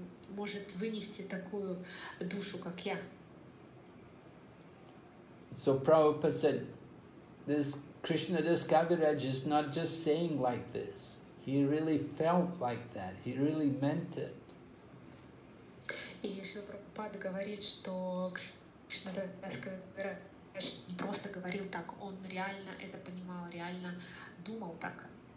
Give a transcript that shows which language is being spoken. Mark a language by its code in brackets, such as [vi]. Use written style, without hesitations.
[ru] Может вынести такую душу, как я. [en] So Prabhupada said, this Krishna Das Kaviraj is not just saying like this. He really felt like that. He really meant it. [ru] И Шрила Прабхупада говорит, что Кришна Дас Кавираджа не просто говорил так, он реально это понимал, реально думал так.